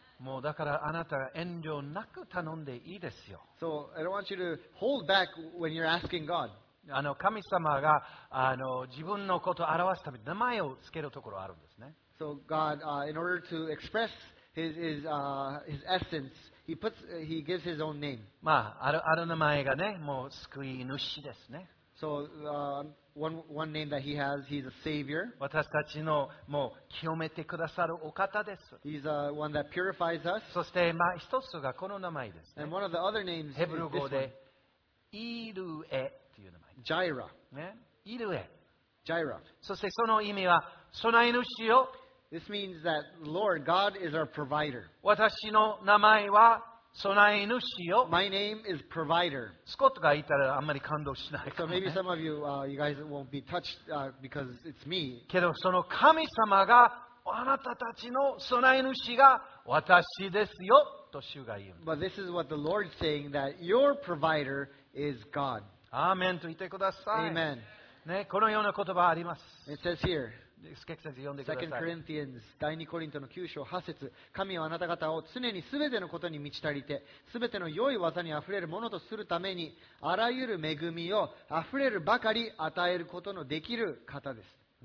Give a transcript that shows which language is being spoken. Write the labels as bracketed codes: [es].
[ja] もうだからあなたが遠慮なく頼んでいいですよ。 [en] So I don't want you to hold back when you're asking God. [ja] あの神様が自分のことを表すために名前をつけるところあるんですね。 [en] So God, in order to express his essence. He gives his own name. [ja] まあ、ある名前がね、もう救い主ですね。 [en] So, one name that he has, he's a savior. [ja] 私たちのもう清めてくださるお方です。 [en] He's a one that purifies us. [ja] そして、まあ、一つがこの名前ですね。 [en] And one of the other names is [ja] ヘブル語で、イルエという名前。ジャイラ。ね、イルエ。ジャイラ。そしてその意味は、備え主よ。 [en] This means that Lord God is our provider. [ja] 私の名前は備え主よ。 [en] My name is provider. [ja] スコットが言ったらあんまり感動しないかも、ね。 [en] So maybe some of you, you guys won't be touched, because it's me. [ja] けどその神様が、あなたたちの備え主が私ですよ、と主が言う。 [en] But this is what the Lord is saying, that your provider is God. [ja] アーメンと言ってください。 [en] Amen. [ja] ね、このような言葉あります。 [en] It says here. [ja] 2 Corinthians 第2コリントの9章8節、神はあなた方を常にすべてのことに満ち足りて、すべての良い技にあふれるものとするために、あらゆる恵みをあふれるばかり与えることのできる方です。